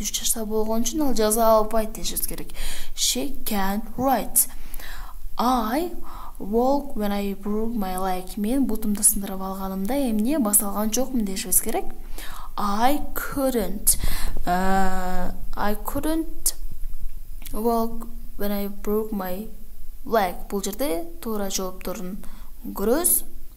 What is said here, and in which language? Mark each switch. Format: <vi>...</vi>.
<ky>3 жашта болгон үчүн ал жаза албайт дешибиз керек.</ky> <en>She can't write. I walk when I broke my leg.</en> <ky>Мен бутумду сындырып алганымда эмне баса алган жокмун дешибиз керек.</ky> <en>I couldn't walk when I broke my leg.</en> <ky>Бул жерде туура жоопторун көрөбүз.</ky>